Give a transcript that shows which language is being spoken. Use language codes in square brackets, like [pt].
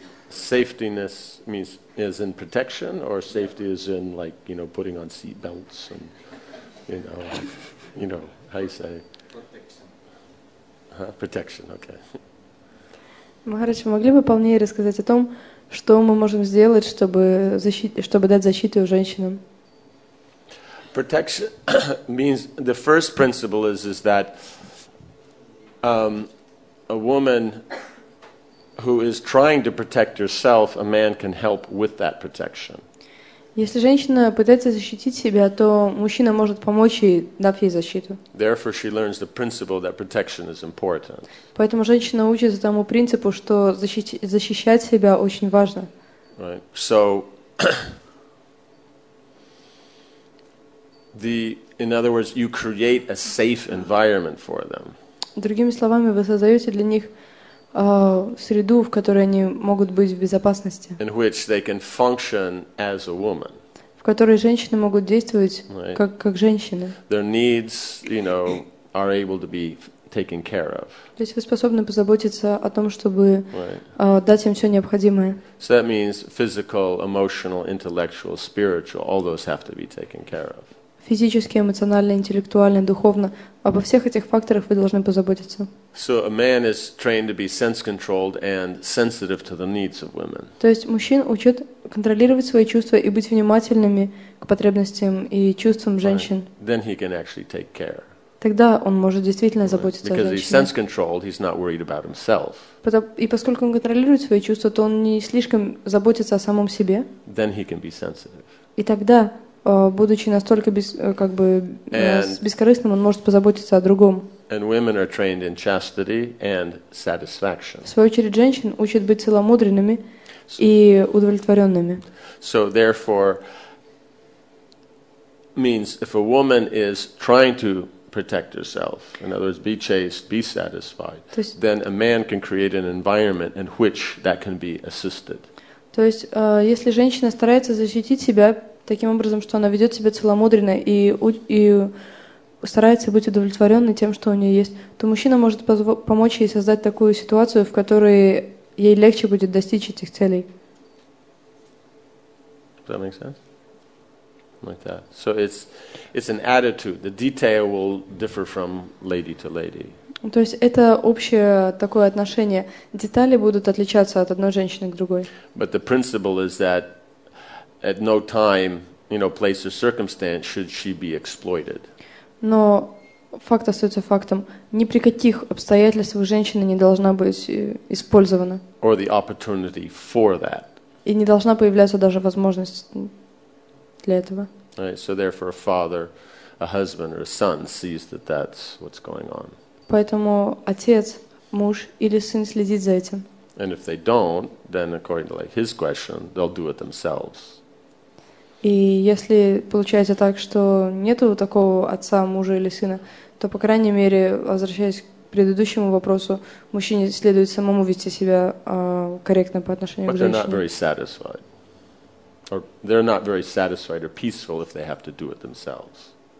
[en] Safetyness means is in protection, or safety is in, like, you know, putting on seat belts and, you know, how you say? Protection. Huh? Protection, okay. [ru] Махарадж, могли бы полнее рассказать о том, что мы можем сделать, чтобы дать защиту женщинам? [en] Protection means the first principle is that a woman who is trying to protect herself, a man can help with that protection. [ru] Если женщина пытается защитить себя, то мужчина может помочь ей, дав ей защиту. [en] Therefore, she learns the principle that protection is important. [ru] Поэтому женщина учится тому принципу, что защищать себя очень важно. [en] Right. So, in other words, you create a safe environment for them. [ru] Другими словами, вы создаете для них среду, в которой они могут быть в безопасности. [en] In which they can function as a woman. [ru] В которой женщины могут действовать [en] right. [ru] как женщины. [en] Their needs, you know, are able to be taken care of. [ru] То есть вы способны позаботиться о том, чтобы дать им все необходимое. [en] So that means physical, emotional, intellectual, spiritual, all those have to be taken care of. [ru] Физически, эмоционально, интеллектуально, духовно. Обо всех этих факторах вы должны позаботиться. [en] So a man is trained to be sense-controlled and sensitive to the needs of women. [ru] То есть мужчин учат контролировать свои чувства и быть внимательными к потребностям и чувствам женщин. [en] Right. Then he can actually take care. [ru] Тогда он может действительно заботиться [en] Because [ru] о женщине. [en] Because he's sense-controlled, he's not worried about himself. [ru] И поскольку он контролирует свои чувства, то он не слишком заботится о самом себе. [en] Then he can be sensitive. [ru] И тогда будучи настолько бескорыстным, он может позаботиться о другом. [en] And women are trained in chastity and satisfaction. [ru] В свою очередь, женщин учат быть целомудренными и удовлетворенными. [en] So therefore, means if a woman is trying to protect herself, in other words, be chaste, be satisfied, then a man can create an environment in which that can be assisted. [ru] То есть, если женщина старается защитить себя таким образом, что она ведет себя целомудренно и старается быть удовлетворенной тем, что у нее есть, то мужчина может помочь ей создать такую ситуацию, в которой ей легче будет достичь этих целей. [en] Does that make sense? Like that. So it's an attitude. The detail will differ from lady to lady. [ru] То есть это общее такое отношение. Детали будут отличаться от одной женщины к другой. [en] But the principle is that at no time, you know, place or circumstance should she be exploited. [ru] Но факт остается фактом. Ни при каких обстоятельствах женщина не должна быть использована. [en] Or the opportunity for that. [ru] И не должна появляться даже возможность для этого. [en] Right, so therefore a father, a husband or a son sees that that's what's going on. [ru] Поэтому отец, муж или сын следит за этим. [en] And if they don't, then according to like his question, they'll do it themselves. [ru] И если получается так, что нету такого отца, мужа или сына, то, по крайней мере, возвращаясь к предыдущему вопросу, мужчине следует самому вести себя корректно по отношению к женщине. [en] But they're not very satisfied. Or they're not very satisfied or peaceful if they have to do it themselves.